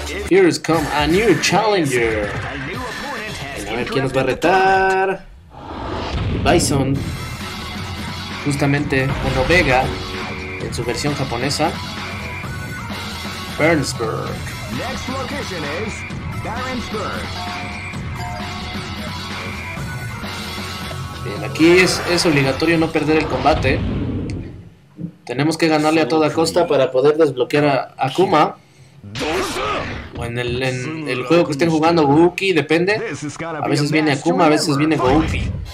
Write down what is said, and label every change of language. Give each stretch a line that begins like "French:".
English: Here's come a new challenger.
Spanish: A ver quién nos va a retar. Bison. Justamente, bueno, Vega, en su versión japonesa.
English: Barentsburg. Next location is Barentsburg.
Spanish: Bien, aquí es obligatorio no perder el combate. Tenemos que ganarle a toda costa para poder desbloquear a Akuma. O en el juego que estén jugando, Gouki, depende. A veces viene Akuma, a veces viene Gouki.